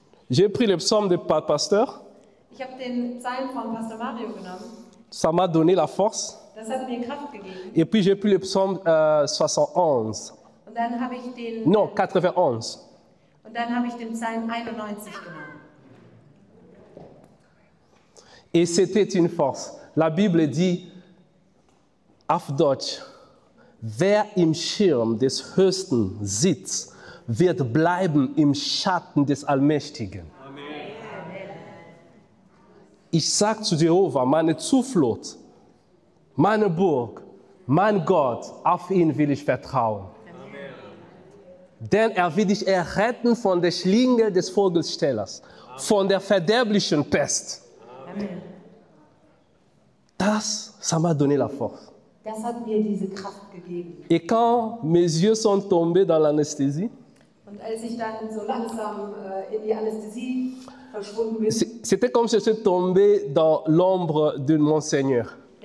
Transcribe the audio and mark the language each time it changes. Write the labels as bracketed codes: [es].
[fr] J'ai pris le psaume de pasteur. [de] Ich habe den Psalm von Pastor Mario genommen. [fr] Ça m'a donné la force. [de] Das hat mir Kraft gegeben. [fr] Et puis j'ai pris le psaume 71. [de] Und dann habe ich den, 91. Und dann habe ich den Psalm 91 genommen. [fr] Et c'était une force. La Bible dit, [de] auf Deutsch, wer im Schirm des Höchsten sitzt, wird bleiben im Schatten des Allmächtigen. Ich sage zu Jehova, meine Zuflucht, meine Burg, mein Gott, auf ihn will ich vertrauen. Amen. Denn er wird dich erretten von der Schlinge des Vogelstellers, Amen. Von der verderblichen Pest. Amen. [fr] Das m'a donné la force. [de] Das hat mir diese Kraft gegeben. [fr] Et quand mes yeux sont tombés dans l'anesthésie, [de] und als ich dann so langsam in die Anästhesie [fr] c'était comme si je suis tombé dans l'ombre de mon Seigneur.